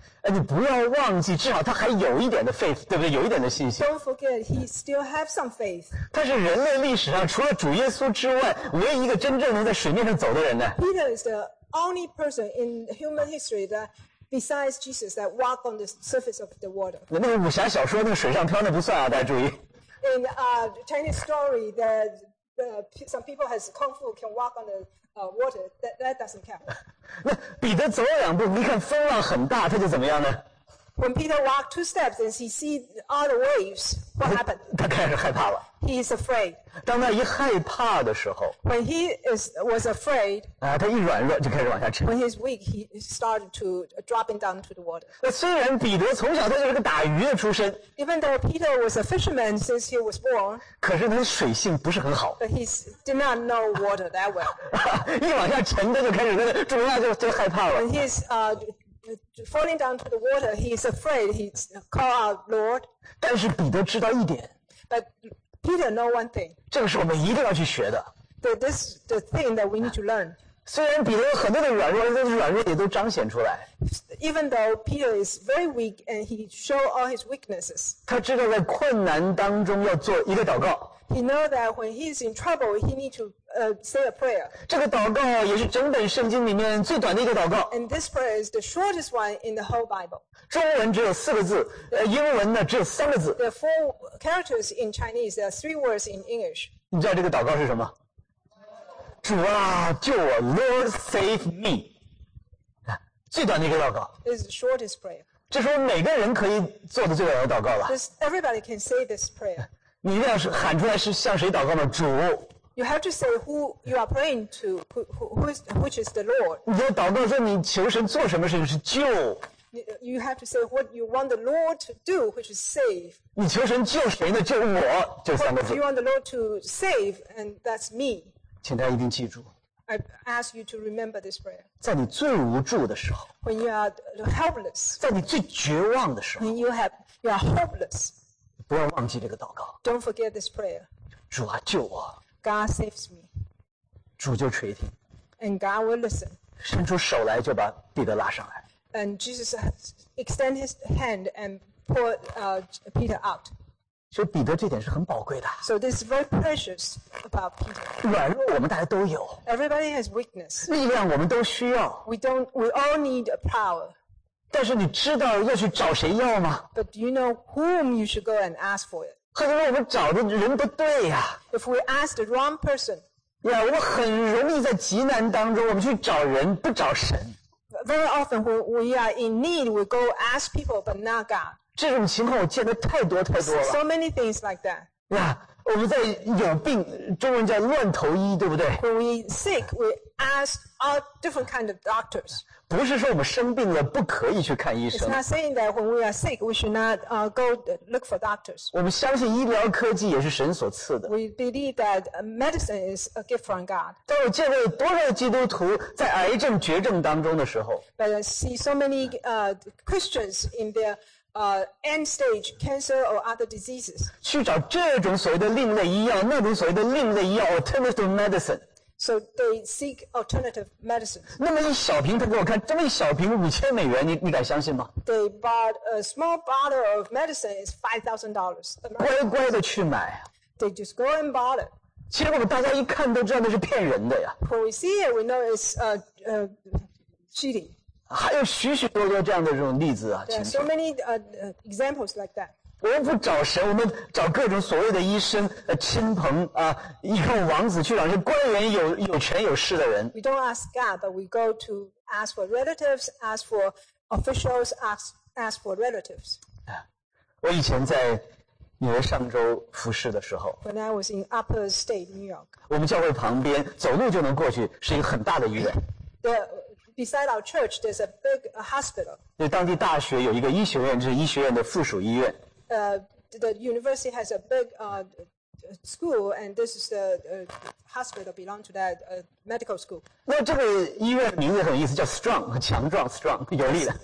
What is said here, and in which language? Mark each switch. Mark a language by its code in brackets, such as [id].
[zh] 哎，你不要忘记，至少他还有一点的 faith， 对不对？有一点的信心。 [en] Don't forget, he still have some faith. [zh] 他是人类历史上除了主耶稣之外，唯一一个真正能在水面上走的人呢。 [en] Peter is the only person in human history that, besides Jesus, that walk on the surface of the water. [zh] 那个武侠小说那个水上漂那不算啊，大家注意。 [en] In Chinese story, some people has kung fu can walk on the water. That doesn't count. [zh] 那彼得走了两步，你看风浪很大，他就怎么样呢 [en] ？When Peter walked two steps and he see all the waves, what happened? [zh] 他开始害怕了。 [en] He is afraid. [zh] 当他一害怕的时候 [en] ，When he was afraid, [zh] 啊，他一软弱就开始往下沉。 [en] When he is weak, he started to dropping down to the water. [zh] 那虽然彼得从小他就是个打鱼的出身 [en] ，Even though Peter was a fisherman since he was born, [zh] 可是他的水性不是很好。 [en] But he did not know water that well. [zh] 一往下沉，他就开始那个，主要就害怕了。 [en] When he is falling down to the water, he is afraid. He call out, Lord. [zh] 但是彼得知道一点 [en] ，But Peter know one thing. [zh] 这个是我们一定要去学的。 [en] This is the thing that we need to learn. [zh] 虽然彼得有很多的软弱，但是软弱也都彰显出来。 [en] Even though Peter is very weak and he show all his weaknesses. [zh] 他知道在困难当中要做一个祷告。 [en] He know that when he is in trouble, he need to say a prayer. [zh] 这个祷告也是整本圣经里面最短的一个祷告。 [en] And this prayer is the shortest one in the whole Bible. [zh] 中文只有四个字，英文呢只有三个字。 [en] There are four characters in Chinese. There are three words in English. [zh] 你知道这个祷告是什么？主啊，救我 ， [en] Lord save me. [zh] 最短的一个祷告。 [en] It's the shortest prayer. [zh] 这是我们每个人可以做的最短的祷告了。 [en] Everybody can say this prayer. [zh] 你一定要喊出来是向谁祷告呢？主。 [en] You have to say who you are praying to, which is the Lord. [zh] 你的祷告说你求神做什么事情是救。 [en] You have to say what you want the Lord to do, which is save. [zh] 你求神救谁呢？救我，这三个字。 [en] What you want the Lord to save, and that's me. [zh] 请大家一定记住。 [en] I ask you to remember this prayer. [zh] 在你最无助的时候。 [en] When you are helpless. [zh] 在你最绝望的时候。 [en] When you are hopeless. [zh] 不要忘记这个祷告。 [en] Don't forget this prayer. [zh] 主啊，救我。 [en] God saves me. [zh] 主就垂听。 [en] And God will listen. [zh] 伸出手来就把彼得拉上来。 [en] And Jesus extend his hand and pull Peter out. [zh] 所以彼得这点是很宝贵的。 [en] So this is very precious about Peter. [zh] 软弱我们大家都有。 [en] Everybody has weakness. [zh] 力量我们都需要。 [en] We all need a power. [zh] 但是你知道要去找谁要吗？ [en] But do you know whom you should go and ask for it? [zh] 可是我们找的人不对呀。 [en] If we ask the wrong person. [zh] 呀，我们很容易在极难当中，我们去找人不找神。 [en] Very often when we are in need, we go ask people, but not God. [zh] 这种情况我见得太多太多了。 [en] So many things like that. [zh] Yeah, 我们在有病，中文叫乱投医，对不对？ [en] When we sick, we ask all different kind of doctors. [zh] 不是说我们生病了不可以去看医生。 [en] It's not saying that when we are sick, we should not go look for doctors. [zh] 我们相信医疗科技也是神所赐的。 [en] We believe that medicine is a gift from God. [zh] 但我见过多少基督徒在癌症绝症当中的时候。 [en] But I see so many Christians in their end stage cancer or other diseases. [zh] 去找这种所谓的另类医药，那种所谓的另类医药 [en] alternative medicine. So they seek alternative medicine. [zh] 那么一小瓶，他给我看，这么一小瓶$5,000，你敢相信吗 [en] ？They bought a small bottle of medicine is $5,000. [zh] 乖乖的去买。 [en] They just go and bought it. [zh] 其实我们大家一看都知道那是骗人的呀。 [en] When we see it, we know it's cheating. [zh] 还有许许多多这样的这种例子啊。 [en] There are so many examples like that. [zh] 我们不找神，我们找各种所谓的医生、亲朋啊，一个王子去找那些官员有权有势的人。 [en] We don't ask God, but we go to ask for relatives, ask for officials, ask for relatives. [zh] 我以前在纽约上州服侍的时候 [en] ，When I was in Upper State, New York, [zh] 我们教会旁边走路就能过去，是一个很大的医院。 [en] Beside our church, there's a big hospital. [zh] 那当地大学有一个医学院，就是医学院的附属医院。 [en] The university has a big school, and this is the hospital belong to that medical school. [zh] 那这个医院名字很有意思，叫 Strong， 强壮 ，Strong， 有力的。